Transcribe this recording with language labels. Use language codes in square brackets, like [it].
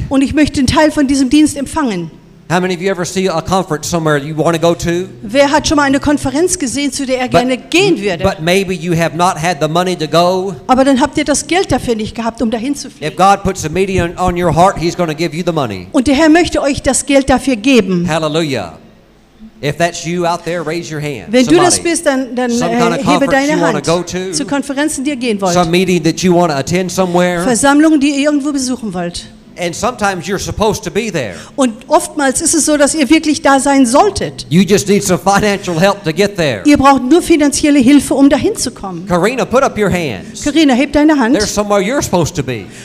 [de] Und ich möchte einen Teil von diesem Dienst empfangen. [en] How many of you ever see a conference somewhere you want to go to? [de] Wer hat schon mal eine Konferenz gesehen, zu der er gerne gehen würde? [en] But maybe you have not had the money to go. [de] Aber dann habt ihr das Geld dafür nicht gehabt, um dahin zu fliegen. [en] If God puts a meeting on your heart, He's going to give you the money. [de] Und der Herr möchte euch das Geld dafür geben. [en] Hallelujah. If that's you out there, raise your hand. [de] Wenn [en] Somebody. [de] Du das bist, dann hebe deine Hand. Zu Konferenzen, die ihr gehen wollt. [en] Some meeting that you want to attend somewhere. [de] Versammlung, die ihr irgendwo besuchen wollt. [en] And sometimes you're supposed to be there. [de] Und oftmals ist es so, dass ihr wirklich da sein solltet. [en] You just need some financial help to get there. [de] Ihr braucht nur finanzielle Hilfe, um dahin zu kommen. [en] Karina, put up your hands. [de] Karina, heb deine Hand. [en] There's somewhere you're supposed to be.